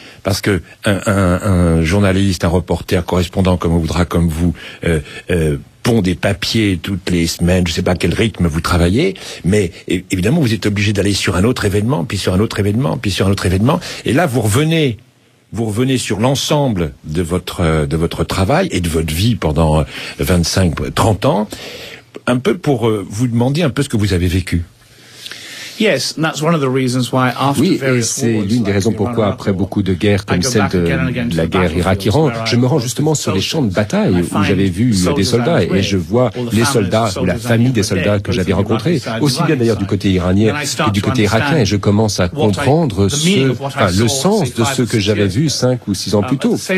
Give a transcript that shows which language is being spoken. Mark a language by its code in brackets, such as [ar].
[fr] Parce que un journaliste, un reporter, un correspondant, comme on voudra, comme vous, pond des papiers toutes les semaines, je sais pas à quel rythme vous travaillez, mais évidemment vous êtes obligé d'aller sur un autre événement, puis sur un autre événement, puis sur un autre événement, et là vous revenez sur l'ensemble de votre travail et de votre vie pendant 25-30 ans, un peu pour vous demander un peu ce que vous avez vécu. [en] Yes, and that's one of the reasons why after various wars. [fr] Oui, et c'est l'une des raisons pourquoi, après beaucoup de guerres comme celle de la guerre Irak-Iran, je me rends justement sur les champs de bataille où j'avais vu des soldats et je vois les soldats ou la famille des soldats que j'avais rencontrés, aussi bien d'ailleurs du côté iranien que du côté irakien, et je commence à comprendre le sens de ce que j'avais vu 5 ou 6 ans plus tôt.